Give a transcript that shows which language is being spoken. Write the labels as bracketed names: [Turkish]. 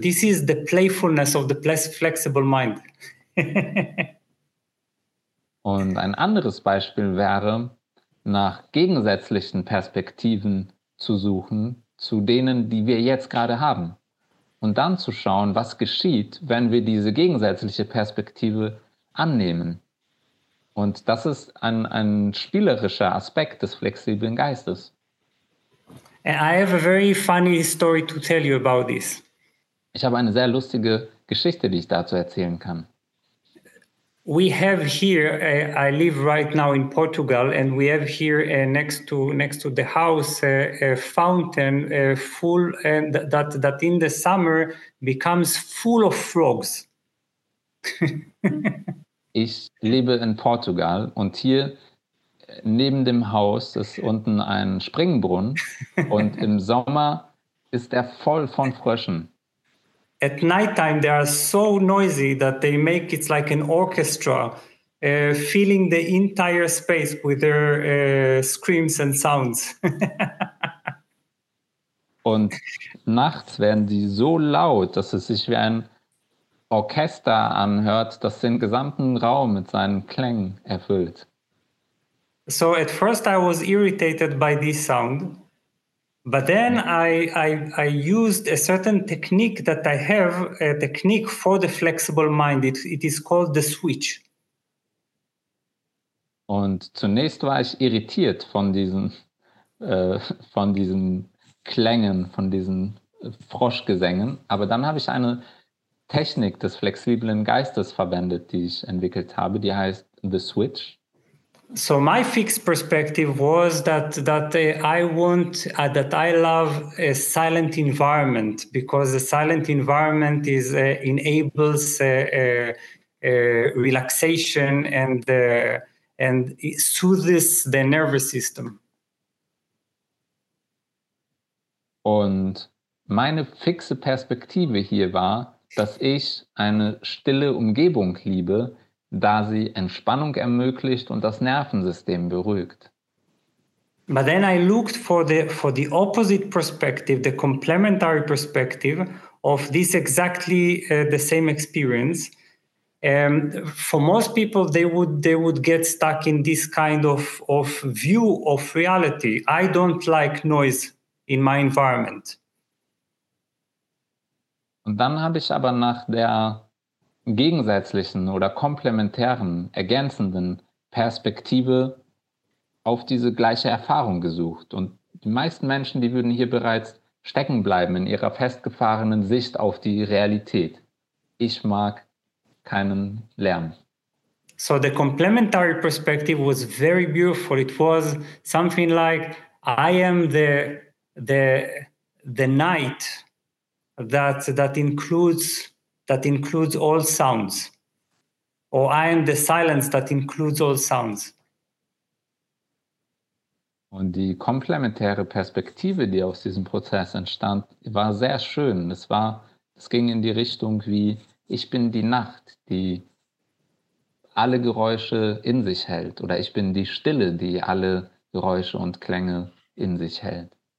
[English] This is the playfulness of the flexible mind. [German] Und ein anderes Beispiel wäre, nach gegensätzlichen Perspektiven zu suchen zu denen, die wir jetzt gerade haben. Und dann zu schauen, was geschieht, wenn wir diese gegensätzliche Perspektive annehmen. Und das ist ein spielerischer Aspekt des flexiblen Geistes. [English] I have a very funny story to tell you about this. [German] Ich habe eine sehr lustige Geschichte, die ich dazu erzählen kann. [English] We have here, I live right now in Portugal, and we have here next to the house a fountain full, and that in the summer becomes full of frogs. [German] Ich lebe in Portugal und hier neben dem Haus ist unten ein Springbrunnen und im Sommer ist er voll von Fröschen. [English] At nighttime they are so noisy that they make it like an orchestra, filling the entire space with their screams and sounds. [German] Und nachts werden sie so laut, dass es sich wie ein Orchester anhört, das den gesamten Raum mit seinen Klängen erfüllt. [English] So at first I was irritated by this sound. But then I used a certain technique that I have, a technique for the flexible mind. It is called the switch. [German] Und zunächst war ich irritiert von diesen Klängen, von diesen Froschgesängen. Aber dann habe ich eine Technik des flexiblen Geistes verwendet, die ich entwickelt habe, die heißt the switch. [English] So my fixed perspective was that I love a silent environment because a silent environment enables relaxation and it soothes the nervous system. [German] Und meine fixe Perspektive hier war, dass ich eine stille Umgebung liebe, da sie Entspannung ermöglicht und das Nervensystem beruhigt. [English] But then I looked for the opposite perspective, the complementary perspective of this exactly the same experience. For most people, they would get stuck in this kind of view of reality. I don't like noise in my environment. [German] Und dann habe ich aber nach der gegensätzlichen oder komplementären, ergänzenden Perspektive auf diese gleiche Erfahrung gesucht. Und die meisten Menschen, die würden hier bereits stecken bleiben in ihrer festgefahrenen Sicht auf die Realität. Ich mag keinen Lärm. [English] So the complementary perspective was very beautiful. It was something like, I am the night that includes all sounds. Or I am the silence that includes all sounds. [German] Und die komplementäre Perspektive, die aus diesem Prozess entstand, war sehr schön. Es ging in die Richtung wie, ich bin die Nacht, die alle Geräusche in sich hält. Oder ich bin die Stille, die alle Geräusche und Klänge in sich hält.